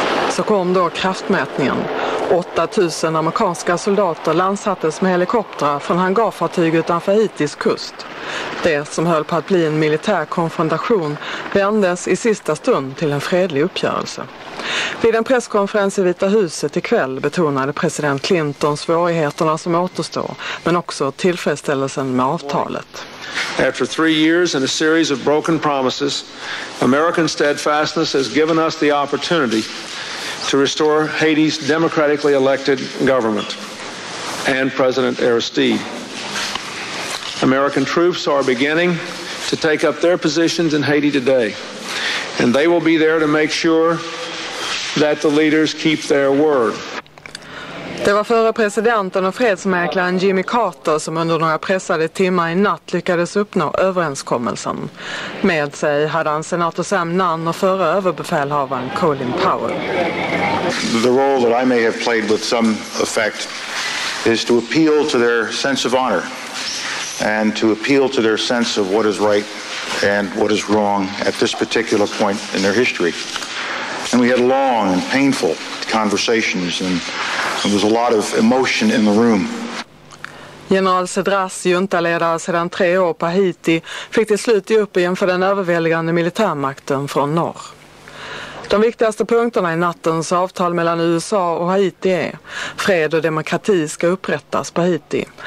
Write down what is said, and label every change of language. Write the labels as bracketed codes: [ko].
[sv] Så kom då kraftmätningen. 8000 amerikanska soldater landsattes med helikoptrar från hangarfartyg utanför Haitis kust. Det som höll på att bli en militär konfrontation vändes i sista stund till en fredlig uppgörelse. Vid en presskonferens i Vita huset ikväll betonade president Clinton svårigheterna som återstår, men också tillfredsställelsen med avtalet. [en] After 3 years and a series of broken promises, American steadfastness has given us the opportunity to restore Haiti's democratically elected government and President Aristide. American troops are beginning to take up their positions in Haiti today, and they will be there to make sure that the leaders keep their word. [sv] Det var förre presidenten och fredsmäklaren Jimmy Carter som under några pressade timmar i natt lyckades uppnå överenskommelsen. Med sig hade han senator Sam Nunn och förre överbefälhavaren Colin Powell. [en] The role that I may have played with some effect is to appeal to their sense of honor and to appeal to their sense of what is right and what is wrong at this particular point in their history. And we had long and painful conversations and there was a lot of emotion in the room. [sv] General Cedras, juntaledare sedan 3 år på Haiti, fick till slut ge upp inför den överväldigande militärmakten från norr. De viktigaste punkterna i nattens avtal mellan USA och Haiti är: fred och demokrati ska upprättas på Haiti.